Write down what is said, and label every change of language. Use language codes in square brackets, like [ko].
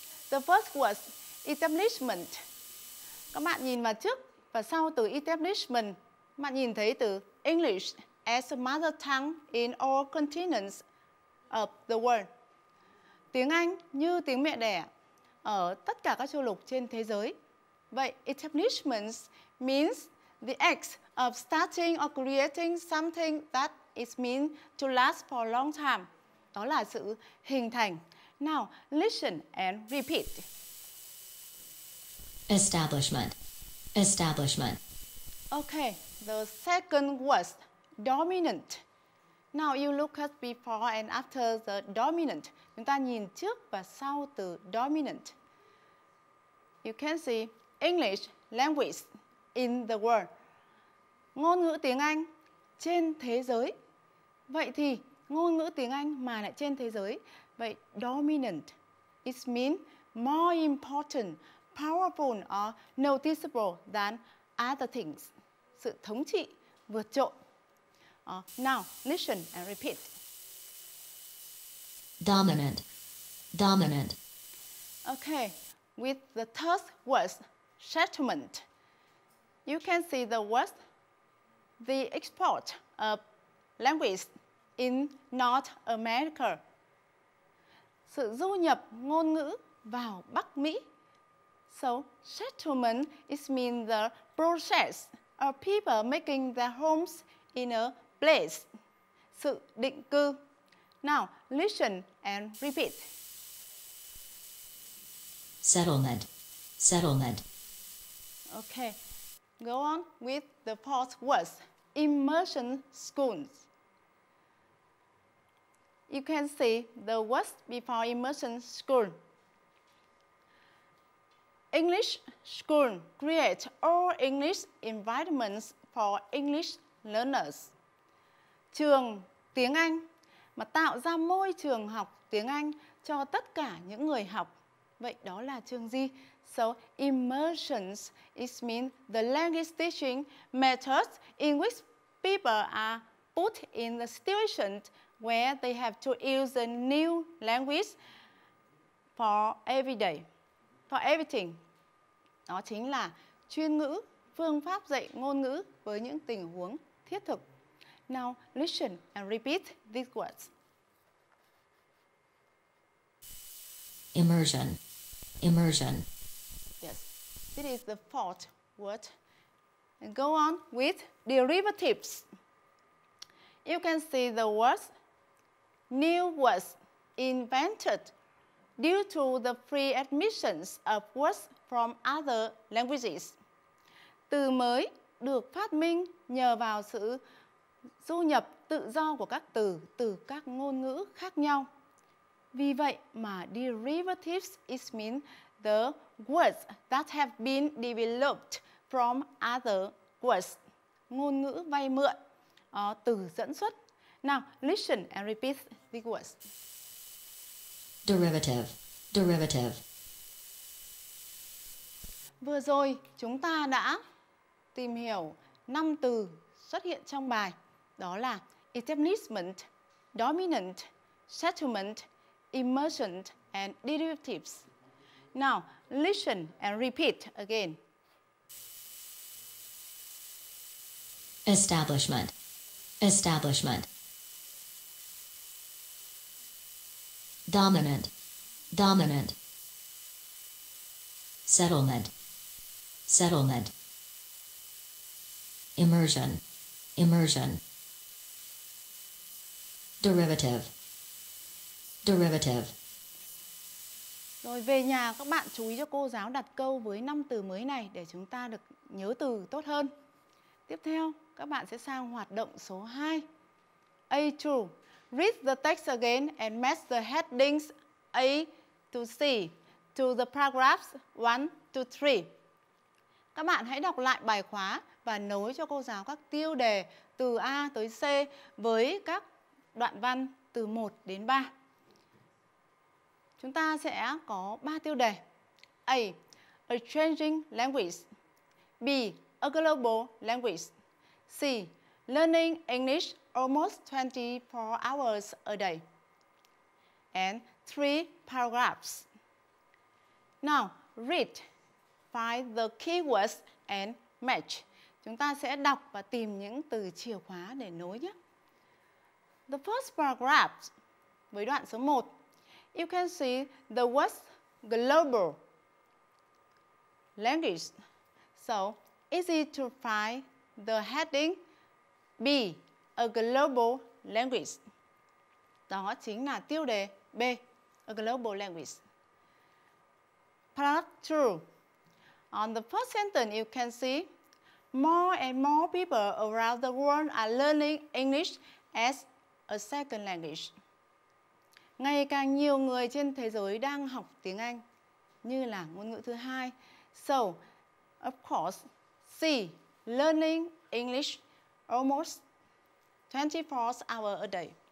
[en] The first was establishment. [vi] Các bạn nhìn vào trước và sau từ [en] establishment, [vi] bạn nhìn thấy từ [en] English as a mother tongue in all continents of the world. [vi] Tiếng Anh như tiếng mẹ đẻ ở tất cả các châu lục trên thế giới. [en] Vậy establishment means the act of starting or creating something that is meant to last for a long time. [vi] Đó là sự hình thành. [en] Now, listen and repeat. Establishment. Establishment. Okay, the second word, dominant. Now you look at before and after the dominant. [vi] Chúng ta nhìn trước và sau từ dominant. [en] You can see English language in the world. [vi] Ngôn ngữ tiếng Anh trên thế giới. Vậy thì ngôn ngữ tiếng Anh mà lại trên thế giới. [en] Vậy dominant, it means more important, powerful or noticeable than other things. [vi] Sự thống trị vượt trội. [en] Now, listen and repeat. Dominant. Dominant. Okay, with the third word, settlement. You can see the word, the export of language in North America. [vi] Sự du nhập ngôn ngữ vào Bắc Mỹ. [en] So, settlement is mean the process of people making their homes in a place. [vi] Sự định cư. [en] Now, listen and repeat. Settlement. Settlement. Okay. Go on with the fourth word. Immersion schools. You can see the word before immersion school. English school create all English environments for English learners. [vi] Trường tiếng Anh mà tạo ra môi trường học tiếng Anh cho tất cả những người học. Vậy đó là trường gì? [en] So, immersion is mean the language teaching methods in which people are put in the situation where they have to use a new language for every day, for everything. [vi] Đó chính là chuyên ngữ, phương pháp dạy ngôn ngữ với những tình huống thiết thực. [en] Now, listen and repeat these words. Immersion. Immersion. Yes, this is the fourth word. And go on with derivatives. You can see the words, new words invented due to the free admissions of words from other languages. [vi] Từ mới được phát minh nhờ vào sự du nhập tự do của các từ từ các ngôn ngữ khác nhau. Vì vậy mà [en] derivatives is mean the words that have been developed from other words. [vi] Ngôn ngữ vay mượn, từ dẫn xuất. [en] Now, listen and repeat the words. Derivative, derivative. [vi] Vừa rồi chúng ta đã tìm hiểu 5 từ xuất hiện trong bài. Đó là establishment, dominant, settlement, immersion and derivatives. [en] Now, listen and repeat again. Establishment. Establishment. Dominant. Dominant. Settlement. Settlement. Immersion. Immersion. Derivative. Derivative. [vi] Rồi về nhà các bạn chú ý cho cô giáo đặt câu với 5 từ mới này để chúng ta được nhớ từ tốt hơn. Tiếp theo, các bạn sẽ sang hoạt động số 2. [en] A2. Read the text again and match the headings A to C to the paragraphs 1 to 3. [vi] Các bạn hãy đọc lại bài khóa và nối cho cô giáo các tiêu đề từ A tới C với các đoạn văn từ 1 đến 3. Chúng ta sẽ có 3 tiêu đề. A. [en] A changing language. [vi] B. [en] A global language. [vi] C. [en] learning English almost 24 hours a day, and 3 paragraphs. Now, read, find the keywords and match. [vi] Chúng ta sẽ đọc và tìm những từ chìa khóa để nối nhé. [en] The first paragraph, [vi] với đoạn số 1, [en] you can see the word global language. So, easy to find the heading B, a global language. [vi] Đó chính là tiêu đề B, [en] a global language. Part 2, on the first sentence you can see more and more people around the world are learning English as a second language. [vi] Ngày càng nhiều người trên thế giới đang học tiếng Anh như là ngôn ngữ thứ hai. [en] So, of course, C, learning English almost 24 hours a day.